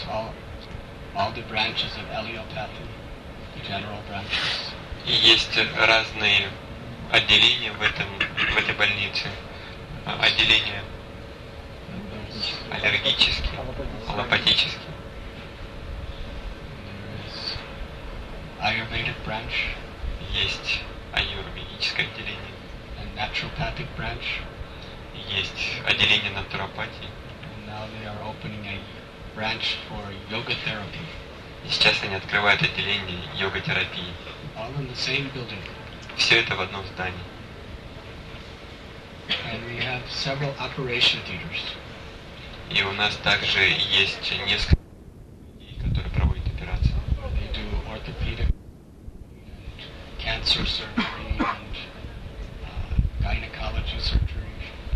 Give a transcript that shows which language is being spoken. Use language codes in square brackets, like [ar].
[en] There's all the branches of allopathy, the general branches. [ru] И есть разные отделения в этой больнице. Отделения аллергические, аллопатические. [en] Ayurvedic branch. [ru] Есть аюрведическое отделение. [en] And naturopathic branch. [ru] Есть отделение натуропатии. [en] And now they are opening a branch for yoga therapy. [ru] И сейчас они открывают отделение йога-терапии. [en] All in the same building. [ru] Все это в одном здании. [en] And we have several operation theaters. [ru] И у нас также есть несколько людей, которые проводят операции. [en] They do orthopedic and cancer surgery and gynecology surgery.